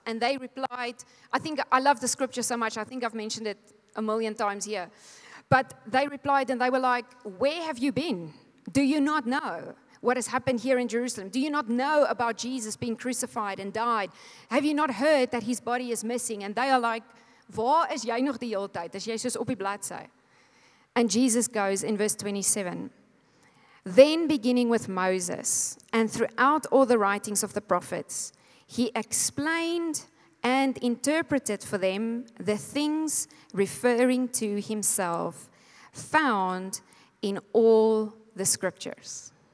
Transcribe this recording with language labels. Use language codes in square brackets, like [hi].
[en] And they replied, I think I love the scripture so much. I think I've mentioned it a million times here. But they replied and they were like, where have you been? Do you not know what has happened here in Jerusalem? Do you not know about Jesus being crucified and died? Have you not heard that his body is missing? [af] And they are like, waar is jy nog die hele tyd? Is jy soos op die bladsy? [en] And Jesus goes in verse 27. Then beginning with Moses and throughout all the writings of the prophets, he explained and interpreted for them the things referring to himself found in all the scriptures.